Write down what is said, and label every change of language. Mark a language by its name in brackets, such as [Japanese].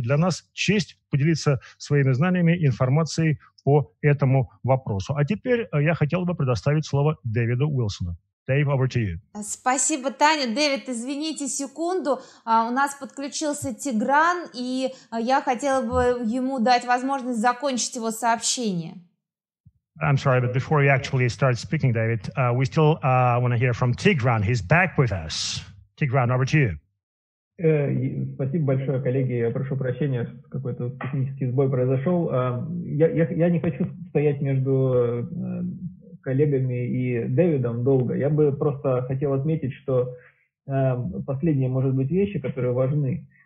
[Russian] Для нас честь поделиться своими знаниями и информацией по этому вопросу. А теперь я хотел бы предоставить слово Дэвиду Уилсону. [English] Дэйв, over to you. [Russian] Спасибо, Таня. Дэвид, извините, секунду. У нас подключился Тигран, и я хотела бы ему дать возможность закончить его сообщение. [English] I'm sorry, but before we actually start speaking, David, we still want to hear from Tigran. He's back with us. Tigran, over to you. [Russian] Спасибо большое, коллеги. Я прошу прощения, какой-то технический сбой произошел. Я не хочу стоять между коллегами и Дэвидом долго. Я бы просто хотел отметить, что последние, может быть, вещи, которые важны.